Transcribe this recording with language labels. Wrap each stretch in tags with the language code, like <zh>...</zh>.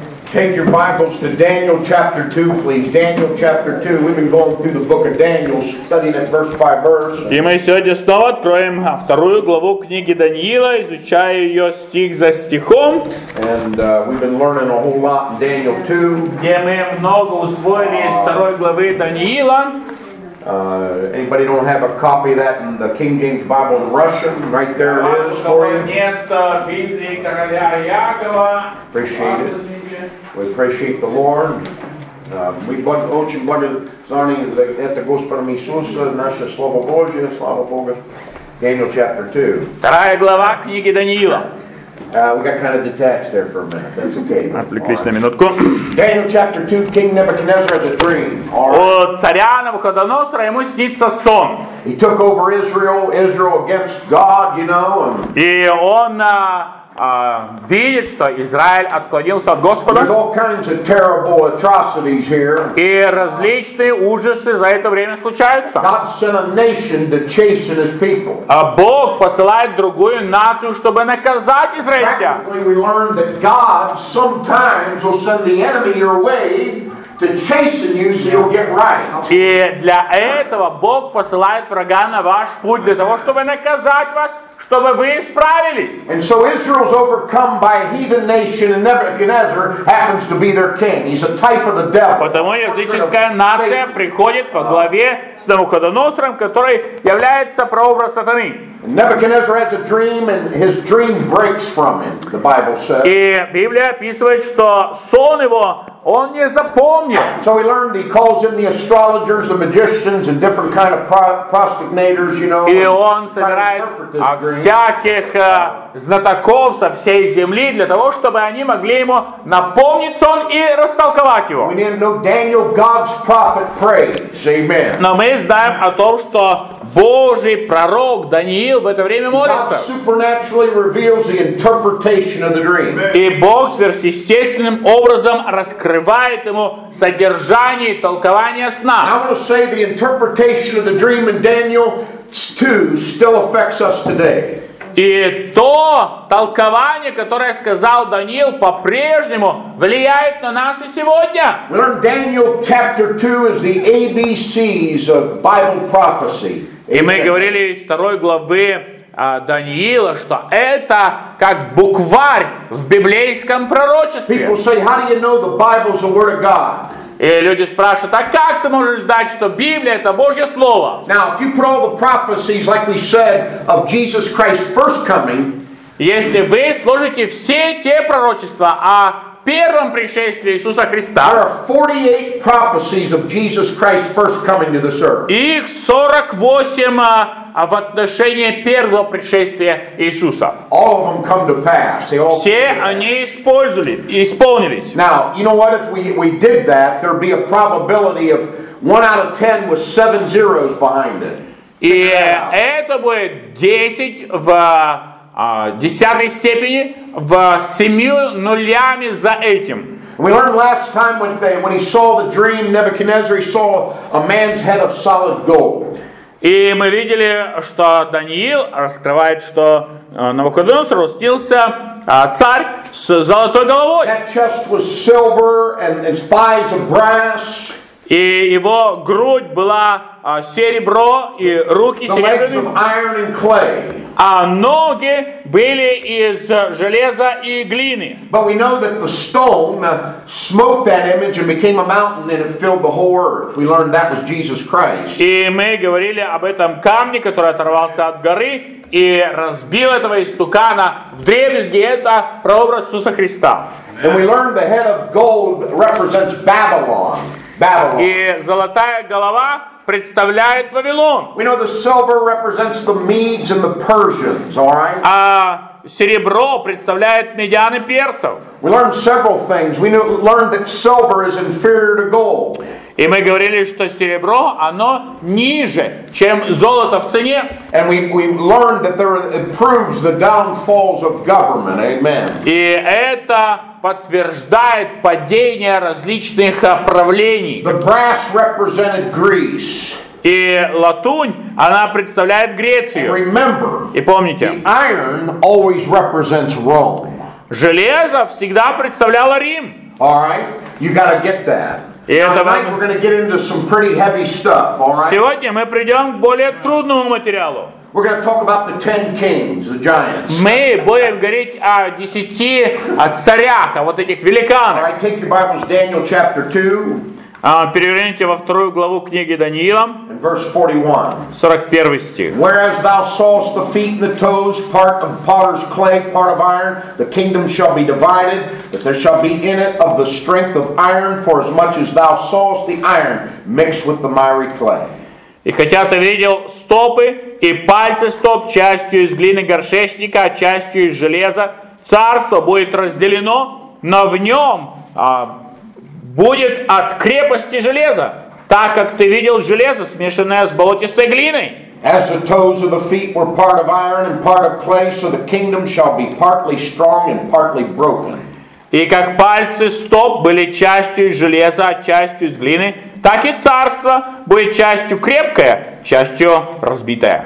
<en>Take your Bibles to Daniel chapter 2, please. Daniel chapter 2. We've been going through the book of Daniel, studying it verse by verse.</en> <ru>И мы сегодня снова откроем вторую главу книги Даниила, изучая ее стих за стихом.</ru> <en>And we've been learning a whole lot in Daniel 2.</en> <ru>Где мы много усвоили из второй главы Даниила.</ru> <en>Anybody don't have a copy of that in the King James Bible in Russian? Right there it is for you.</en> <ru>Нет Библии короля Якова.</ru> <en>Appreciate it. We appreciate the Lord. We</en> <ru>очень благодарны за это Господом Иисуса, наше Слово Божие, слава Богу.</ru> <en>Daniel chapter 2.</en> <ru>Вторая глава книги Даниила.</ru> <en>We got kind of detached there for a minute. That's okay.</en> <ru>Отвлеклись на минутку.</ru> <en>Daniel chapter 2, King Nebuchadnezzar has a dream.</en> <ru>О царя Навуходоносора, ему снится сон.</ru> <en>He took over Israel, Israel against God, you know.</en> <ru>И он видит, что Израиль отклонился от Господа.</ru> <en>There's all kinds of terrible atrocities here.</en> <ru>И различные ужасы за это время случаются.</ru> <en>God sent a nation to chasten his people.</en> <ru>А Бог посылает другую нацию, чтобы наказать израильтян.</ru> <en>Practically, we learned that God sometimes will send the enemy your way to chasten you so you'll get right.</en> <ru>И для этого Бог посылает врага на ваш путь для того, чтобы наказать вас, чтобы вы исправились.</ru> <en>And so Israel's overcome by a heathen nation, and Nebuchadnezzar happens to be their king. He's a type of the devil.</en> <ru>Потому языческая нация приходит по главе с Навуходоносором, который является прообраз сатаны.</ru> <en>Nebuchadnezzar has a dream, and his dream breaks from him. The Bible says.</en> <ru>И Библия описывает, что сон его он не запомнил.</ru> <en>So we learned he calls in the astrologers, the magicians, and different kind of prosternators, you know.</en> <ru>И он собирает всяких знатоков со всей земли для того, чтобы они могли ему напомнить сон и растолковать его.</ru> <en>We need to know Daniel, God's prophet, prays. Amen.</en> <ru>Но мы знаем о том, что Божий пророк Даниил в это время молится.</ru> <en>God supernaturally reveals the interpretation of the dream.</en> <ru>И Бог сверхъестественным образом раскрывает ему содержание и толкование сна.</ru> <en>I want to say the interpretation of the dream in Daniel 2 still affects us today.</en> <ru>И то толкование, которое сказал Даниил, по-прежнему влияет на нас и сегодня.</ru> <en>We learn Daniel chapter 2 is the ABCs of Bible prophecy.</en> <ru>И мы говорили из второй главы Даниила, что это как букварь в библейском пророчестве.</ru> <en>People say, how do you know the Bible's the word of God?</en> <ru>И люди спрашивают, а как ты можешь знать, что Библия это Божье Слово?</ru> <en>Now, if you put all the prophecies, like we said, of Jesus Christ's first coming,</en> <ru>если вы сложите все те пророчества о первом пришествии Иисуса Христа,</ru> <en>there are 48 prophecies of Jesus Christ's first coming to this earth.</en> <ru>Их 48 в отношении первого пришествия Иисуса.</ru> <en>All of them come to pass. They all</en> <ru>все они использовали, исполнились.</ru> <en>Now, you know what, if we did that, there'd be a probability of 1 out of 10 with 7 zeros behind it.</en> <ru>И это будет 10 в десятой степени в семью нулями за этим.</ru> <en>We learned last time when he saw the dream, Nebuchadnezzar saw a man's head of solid gold.</en> <ru>И мы видели, что Даниил раскрывает, что Навуходоносор снился царь с золотой головой.</ru> <en>That chest was silver and spies of brass.</en> <ru>И его грудь была серебро и руки серебряные. А ноги были из железа и глины.</ru> <en>But we know that the stone smote that image and became a mountain and it filled the whole earth. We learned that was Jesus Christ.</en> <ru>И мы говорили об этом камне, который оторвался от горы и разбил этого истукана в древесине, это прообраз Иисуса Христа.</ru> <en>And we learned the head of gold represents Babylon.</en> <ru>И золотая голова представляет Вавилон.</ru> <en>We know the silver represents the Medes and the Persians, all right?</en> <ru>А серебро представляет медян и персов.</ru> <en>We learned several things. We learned that silver is inferior to gold.</en> <ru>И мы говорили, что серебро, оно ниже, чем золото в цене.</ru> <en>And we learned that there it proves the downfalls of government. Amen.</en> <ru>И это подтверждает падение различных правлений.</ru> <en>The brass represented Greece.</en> <ru>И латунь, она представляет Грецию.</ru> <en>And remember,</en> <ru>и помните,</ru> <en>the iron always represents Rome.</en> <ru>Железо всегда представляло Рим.</ru> <en>All right, you got to get that. Tonight we're going to get into some pretty heavy stuff. All right.</en> <ru>Сегодня мы придем к более трудному материалу.</ru> <en>We're going to talk about the 10 kings, the giants.</en> <ru>Мы будем говорить о 10 царях, о вот этих великанах.</ru> <en>All right, take your Bibles, Daniel chapter 2.</en> <ru>Переверните во вторую главу книги Даниила, 41 стих.</ru> <en>Whereas thou sawest the feet and the toes, part of potter's clay, part of iron, the kingdom shall be divided, but there shall be in it of the strength of iron, for as much as thou sawest the iron mixed with the miry clay.</en> <ru>И хотя ты видел стопы и пальцы стоп, частью из глины горшечника, частью из железа, царство будет разделено, но в нем будет от крепости железа, так как ты видел железо, смешанное с болотистой глиной.</ru> <en>As the toes of the feet were part of iron and part of clay, so the kingdom shall be partly strong and partly broken.</en> <ru>И как пальцы стоп были частью из железа, частью из глины, так и царство будет частью крепкое, частью разбитое.</ru>